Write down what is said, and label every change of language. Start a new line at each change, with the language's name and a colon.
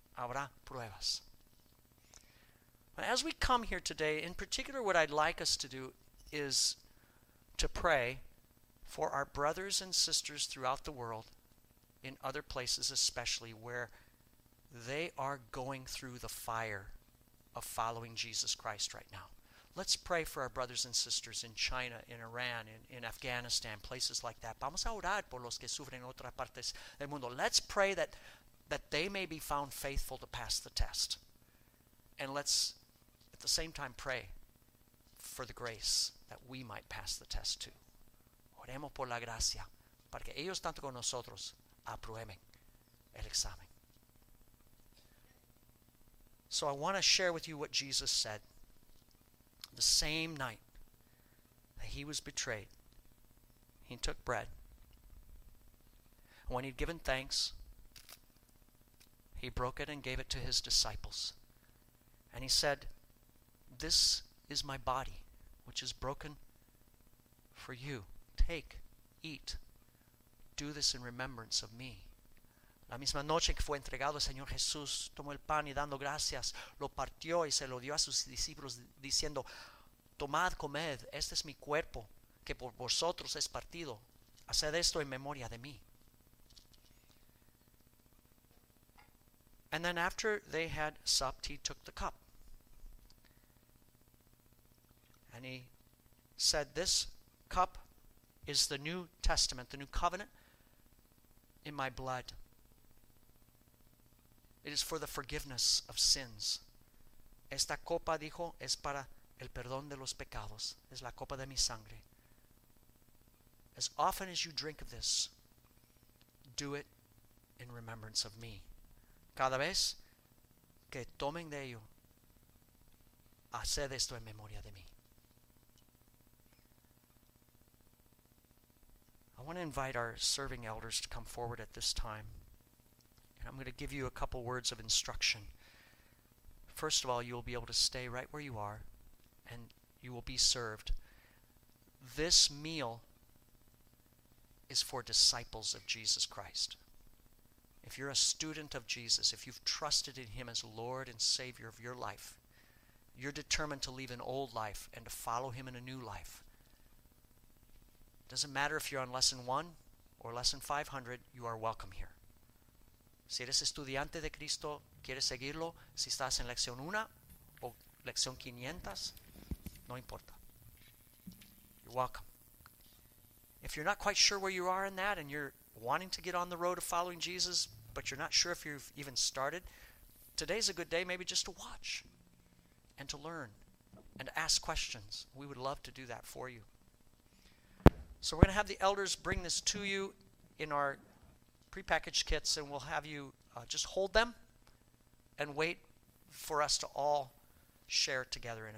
Spanish: Habrá pruebas.
English: As we come here today, in particular, what I'd like us to do is to pray for our brothers and sisters throughout the world, in other places especially, where they are going through the fire of following Jesus Christ right now. Let's pray for our brothers and sisters in China, in Iran, in Afghanistan, places like that.
Spanish: Vamos a orar por los que sufren en otras partes del mundo.
English: Let's pray that they may be found faithful to pass the test. And let's, at the same time, pray for the grace that we might pass the test too.
Spanish: Oremos por la gracia para que ellos tanto con nosotros aprueben el examen.
English: So I want to share with you what Jesus said. The same night that he was betrayed, he took bread. When he'd given thanks, he broke it and gave it to his disciples. And he said, "This is my body, which is broken for you. Take, eat, do this in remembrance of me."
Spanish: La misma noche que fue entregado el Señor Jesús, tomó el pan y dando gracias, lo partió y se lo dio a sus discípulos diciendo, "Tomad, comed, este es mi cuerpo, que por vosotros es partido. Haced esto en memoria de mí."
English: And then after they had supped, he took the cup. And he said, "This cup is the new testament, the new covenant in my blood. It is for the forgiveness of sins."
Spanish: Esta copa, dijo, es para el perdón de los pecados, es la copa de mi sangre.
English: "As often as you drink of this, do it in remembrance of me."
Spanish: Cada vez que tomen de ello, haced esto en memoria de mí.
English: I want to invite our serving elders to come forward at this time. And I'm going to give you a couple words of instruction. First of all, you'll be able to stay right where you are, and you will be served. This meal is for disciples of Jesus Christ. If you're a student of Jesus, if you've trusted in him as Lord and Savior of your life, you're determined to leave an old life and to follow him in a new life. Doesn't matter if you're on lesson 1 or lesson 500, you are welcome here.
Spanish: Si eres estudiante de Cristo, quieres seguirlo, si estás en lección 1 o lección 500, no importa.
English: You're welcome. If you're not quite sure where you are in that and you're wanting to get on the road of following Jesus, but you're not sure if you've even started, today's a good day maybe just to watch and to learn and to ask questions. We would love to do that for you. So we're going to have the elders bring this to you in our prepackaged kits, and we'll have you just hold them and wait for us to all share together in a